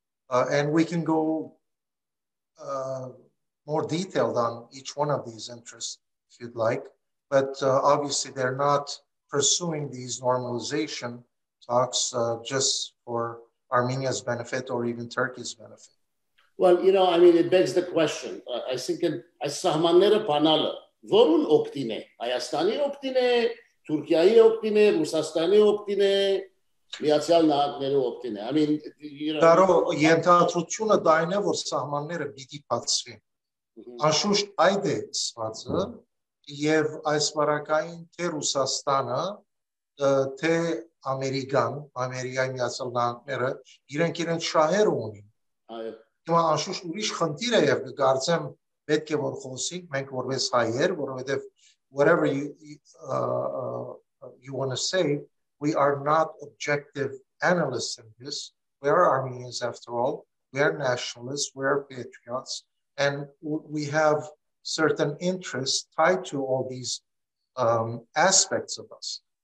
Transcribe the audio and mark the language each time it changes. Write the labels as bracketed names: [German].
[English] And we can go more detailed on each one of these interests, if you'd like. But obviously, they're not pursuing these normalization talks just for Armenia's benefit or even Turkey's benefit. Well, you know, I mean, it begs the question. I think [Armenian] այս սահմանները բանալը, որուն օգտին է, Հայաստանի օգտին է, Թուրքիայի օգտին է, Ռուսաստանի օգտին է, Միացյալ Նահանգների օգտին է. [English] I mean, [Armenian] Դարո, ենթադրությունը դա այն է, որ սահմանները պիտի բացվեն. Անշուշտ այդ է սվածը, և այս պարակային թե Ռուսաստանը, թե Ամերիկան, Ամերիկայի Միացյալ Նահանգները, իրենք իրենց շահեր ունին. Հիմա անշուշտ ուրիշ խնդիր է, և կարծեմ պետք է, որ խոսենք, մենք որպես հայեր, որովհետև [English] whatever you want to say, we are not objective analysts in this. We are Armenians, after all. We are nationalists. We are patriots. And we have certain interests tied to all these aspects of us.